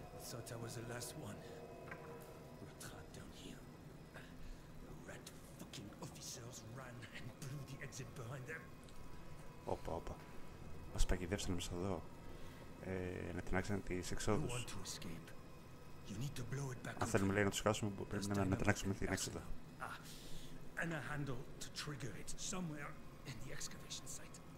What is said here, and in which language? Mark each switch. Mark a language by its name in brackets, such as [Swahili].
[English] Thought I was the last one. We're trapped down here. The red fucking officers ran and blew the exit behind them. Opa, opa. [Greek] Μας παγιδεύσανε μέσα εδώ. Να τυνάξανε τις εξόδους. [English] You want to escape. You need to blow it back. [Greek] Αν θέλουμε, λέει, να τους χάσουμε, πρέπει να τυνάξουμε την έξοδο. [English] And a handle to trigger it somewhere in the excavation site.